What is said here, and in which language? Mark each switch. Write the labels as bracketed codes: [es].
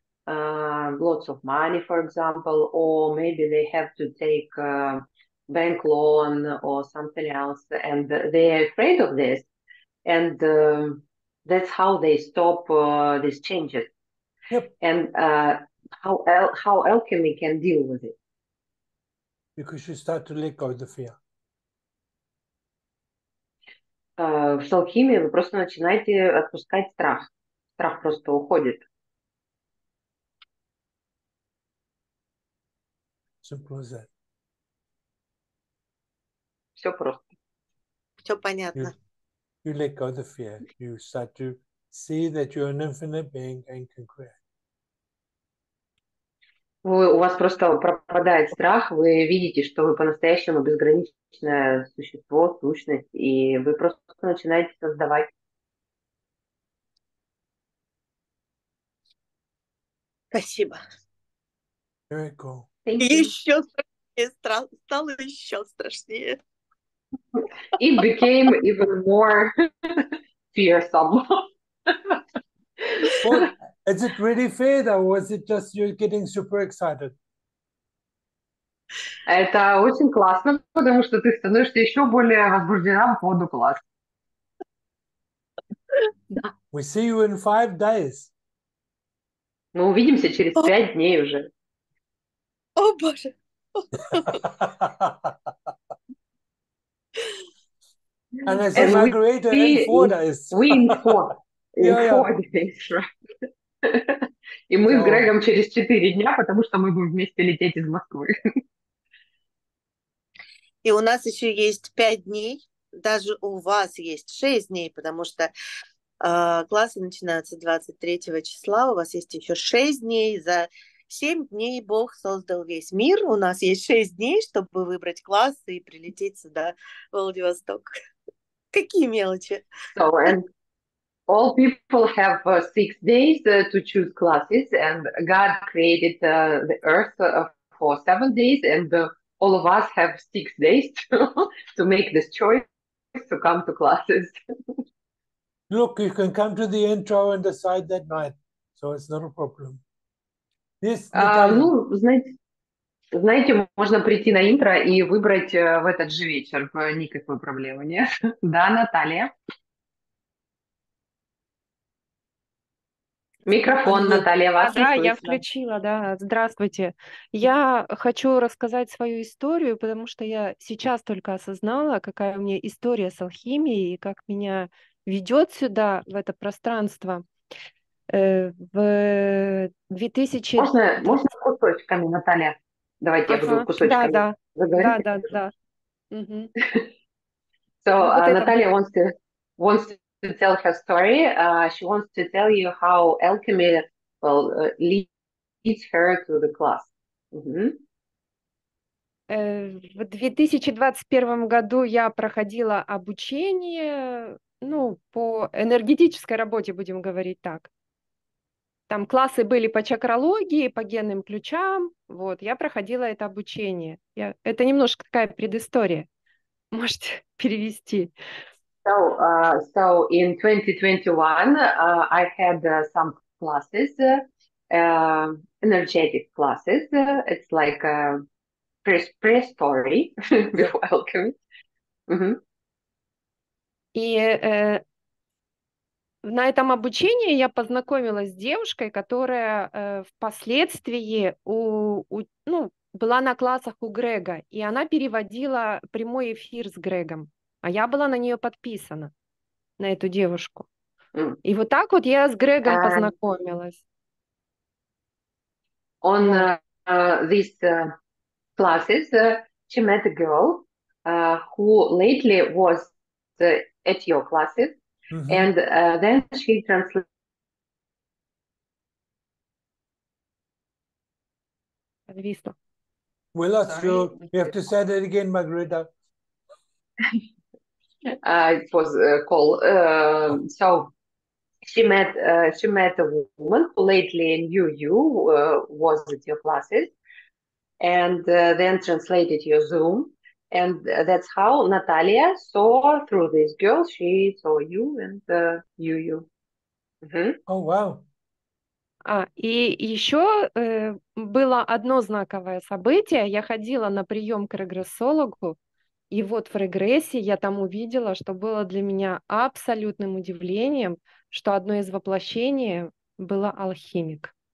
[en] lots of money, for example, or maybe they have to take a bank loan or something else, and they are afraid of this, and that's how they stop these changes. Yep. And how alchemy can deal with it? Because you start to let go of the fear. [ru] В алхимии вы просто начинаете отпускать страх. Страх просто уходит. [en] Simple as that. [ru] Все просто. Все понятно. [en] You let go of the fear. You start to see that you're an infinite being and can create. [ru] У вас просто пропадает страх, вы видите, что вы по-настоящему безграничное существо, сущность, и вы просто начинаете создавать. Спасибо. [en] Very cool. [ru] Еще страшнее стало, еще страшнее. [en] It became even more fearsome. Is it really fair though, or is it just you getting super excited? [ru] Это очень классно, потому что ты становишься еще более возбуждена по поводу класс. [en] We see you in 5 days. [ru] Мы увидимся через 5 дней уже. О, Боже! [en] And I said, Margarita, in 4 days. We in 4 days. [ru] И мы с Грегом через 4 дня, потому что мы будем вместе лететь из Москвы. И у нас еще есть 5 дней, даже у вас есть 6 дней, потому что классы начинаются 23 числа, у вас есть еще 6 дней. За 7 дней Бог создал весь мир, у нас есть 6 дней, чтобы выбрать классы и прилететь сюда, в Владивосток. Какие мелочи! [en] All people have 6 days to choose classes, and God created the earth for 7 days, and all of us have 6 days to make this choice to come to classes. Look, you can come to the intro and decide that night, so it's not a problem. Yes, [ru] ну, знаете, можно прийти на интро и выбрать в этот же вечер, никакой проблемы нет. Да, Наталья. Микрофон, Наталья, вас да, я включила, да. Здравствуйте. Я хочу рассказать свою историю, потому что я сейчас только осознала, какая у меня история с алхимией и как меня ведет сюда, в это пространство. В 2000... Можно кусочками, Наталья? Давайте я буду кусочками. Да, заговорить. Да. Угу. [en] So, Наталья wants to tell her story. She wants to tell you how alchemy leads her to the class. [ru] В 2021 году я проходила обучение, ну, по энергетической работе, будем говорить так. Там классы были по чакрологии, по генным ключам. Вот, я проходила это обучение. Это немножко такая предыстория. Можете перевести? [en] So in 2021, I had some classes, energetic classes. It's like a pre-story before alchemy. [ru] И на этом обучении я познакомилась с девушкой, которая впоследствии ну, была на классах у Грега, и она переводила прямой эфир с Грегом. А я была на нее подписана, на эту девушку. И вот так вот я с Грегом познакомилась. [en] On these classes, she met a girl who lately was at your classes, and then she translated. We lost you. We have to say that again, Margarita. It was a call. So she met a woman who lately knew you, was at your classes, and then translated your Zoom. And that's how Natalia saw through this girl. She saw you and knew you. Oh, wow. [ru] А, и еще было одно знаковое событие. Я ходила на прием к регрессологу, и вот в регрессе я там увидела, что было для меня абсолютным удивлением, что одно из воплощений было алхимик.